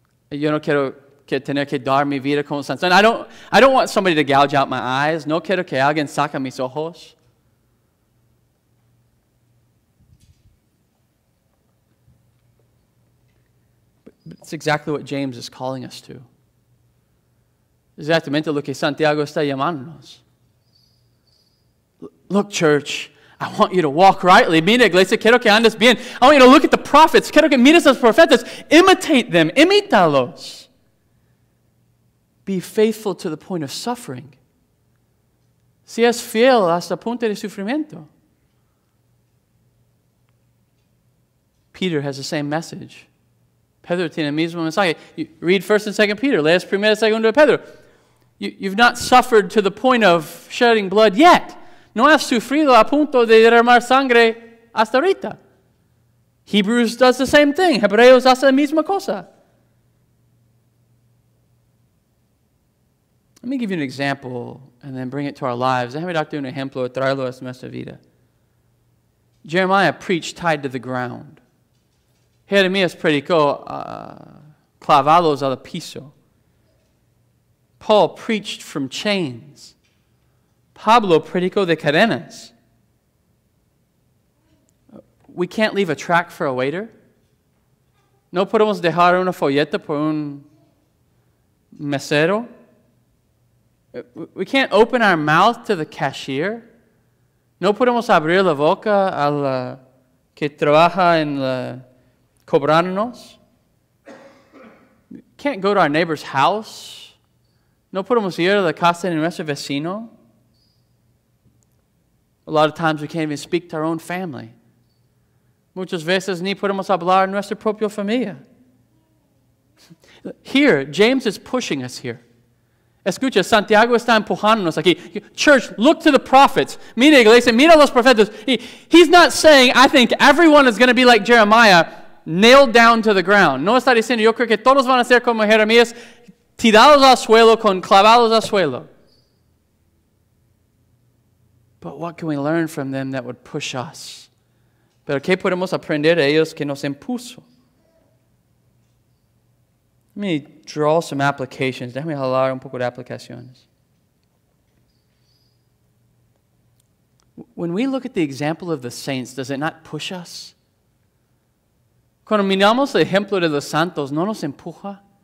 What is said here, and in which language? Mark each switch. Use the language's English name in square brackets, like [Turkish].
[Spanish] Yo no quiero que tener que dar mi vida como Sansón. [English] I don't want somebody to gouge out my eyes. [Spanish] No quiero que alguien saque mis ojos. [English] But it's exactly what James is calling us to. [Spanish] Exactamente lo que Santiago está llamándonos. [English] Look, church. I want you to walk rightly. [Spanish] Mira, iglesia, quiero que andes bien. [English] I want you to look at the prophets. [Spanish] Quiero que mires a los profetas. [English] Imitate them. [Spanish] Imítalos. [English] Be faithful to the point of suffering. [Spanish] si es fiel hasta punto de sufrimiento. [English] Peter has the same message. [Spanish] Pedro tiene el mismo mensaje. [English] You read 1 and 2 Peter. [Spanish] Lees 1 y 2 de Pedro. [English] You've not suffered to the point of shedding blood yet. [Spanish] No has sufrido a punto de derramar sangre hasta ahorita. [English] Hebrews does the same thing. [Spanish] Hebreos hace la misma cosa. [English] Let me give you an example and then bring it to our lives. [Spanish] Déjame darte un ejemplo, traerlo a nuestra vida. [English] Jeremiah preached tied to the ground. [Spanish] Jeremías predicó clavados al piso. [English] Paul preached from chains. [Spanish] Pablo predicó de cadenas. [English] We can't leave a track for a waiter. [Spanish] No podemos dejar una folleta por un mesero. [English] We can't open our mouth to the cashier. [Spanish] No podemos abrir la boca al que trabaja en la cobrarnos. [English] Can't go to our neighbor's house. [Spanish] No podemos ir a la casa de nuestro vecino. [English] A lot of times we can't even speak to our own family. [Spanish] Muchas veces ni podemos hablar a nuestra propia familia. [English] Here, James is pushing us here. [Spanish] Escucha, Santiago está empujándonos aquí. [English] Church, look to the prophets. [Spanish] Mira, iglesia, mira los profetas. [English] He's not saying, I think everyone is going to be like Jeremiah, nailed down to the ground. [Spanish] No está diciendo, yo creo que todos van a ser como Jeremías, tirados al suelo con clavados al suelo. [English] But what can we learn from them that would push us? [Spanish] Pero qué podemos aprender de ellos que nos impuso? [English] Let me draw some applications. [Spanish] Déjame hablar un poco de aplicaciones. [English] When we look at the example of the saints, does it not push us? [Spanish] Cuando miramos el ejemplo de los santos, ¿no nos empuja?